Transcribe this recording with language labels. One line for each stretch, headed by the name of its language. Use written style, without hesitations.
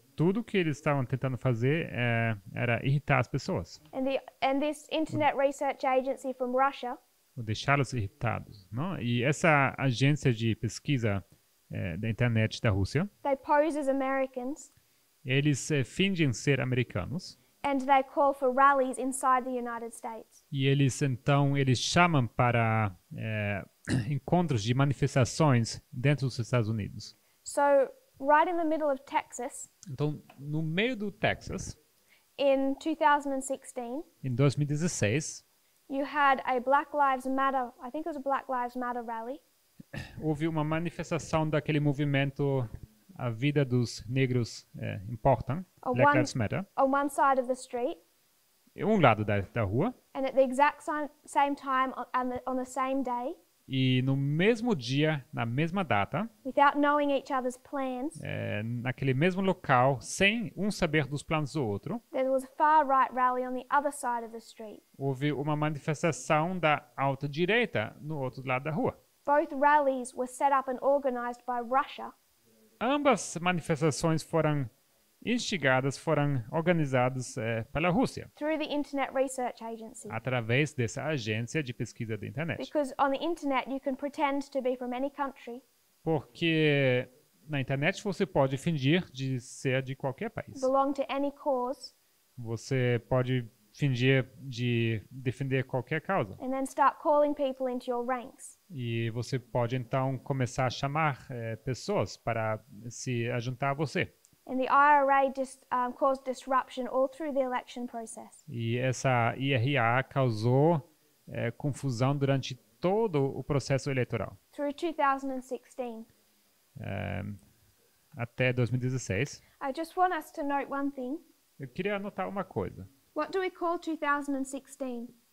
Portuguese: Tudo que eles estavam tentando fazer era irritar as pessoas.
English: And this internet research agency from Russia.
Portuguese: Ou deixá-los irritados, não? E essa agência de pesquisa da internet da Rússia.
English: They pose as Americans.
Portuguese: Eles fingem ser americanos.
English: And they call for rallies inside the United States.
Portuguese: E eles então chamam para encontros de manifestações dentro dos Estados Unidos.
English: So, right in the middle of Texas.
Portuguese: Então, no meio do Texas.
English: In 2016.
Portuguese: Em 2016.
English: You had a Black Lives Matter. I think it was a Black Lives Matter rally.
Portuguese: Houve uma manifestação daquele movimento A Vida dos Negros Importam, Black Lives Matter.
English: On one side of the street.
Portuguese: Um lado da rua.
English: And at the exact same time, on the same day.
Portuguese: E no mesmo dia, na mesma data.
English: Without knowing each other's plans.
Portuguese: Naquele mesmo local, sem saber dos planos do outro.
English: There was a far-right rally on the other side of the street.
Portuguese: Houve uma manifestação da alta-direita no outro lado da rua.
English: Both rallies were set up and organized by Russia.
Portuguese: Ambas manifestações foram instigadas, foram organizadas pela Rússia.
English: Through the Internet Research Agency.
Portuguese: Através dessa agência de pesquisa da internet.
English: Because on the internet you can pretend to be from any country.
Portuguese: Porque na internet você pode fingir de ser de qualquer país.
English: Belong to any cause.
Portuguese: Você pode fingir de defender qualquer causa.
English: And then start calling people into your ranks.
Portuguese: E você pode então começar a chamar pessoas para se juntar a você.
English: And the IRA just caused disruption all through the election process.
Portuguese: E essa IRA causou confusão durante todo o processo eleitoral.
English: Through 2016.
Portuguese: Até 2016.
English: I just want us to note one thing.
Portuguese: Eu queria anotar uma coisa.
English: What do we call 2016?